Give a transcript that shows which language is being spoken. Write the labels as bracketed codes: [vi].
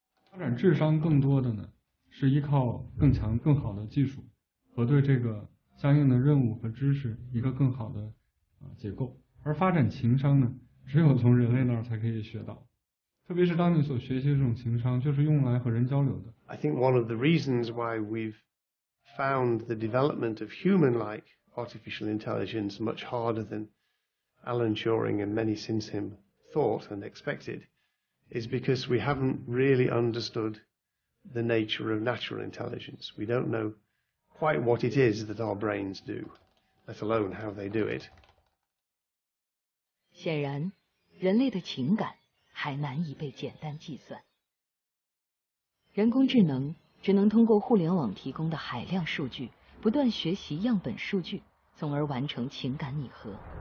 [zh] 发展智商更多的呢，是依靠更强更好的技术和对这个相应的任务和知识一个更好的结构，而发展情商呢，只有从人类那儿才可以学到，特别是当你所学习的这种情商就是用来和人交流的。 [en] I think one of the reasons why we've found the development of human-like artificial intelligence much harder than Alan Turing and many since him thought and expected is because we haven't really understood the nature of natural intelligence. We don't know quite what it is that our brains do, let alone how they do it. [zh] 显然，人类的情感还难以被简单计算。人工智能只能通过互联网提供的海量数据，不断学习样本数据，从而完成情感拟合。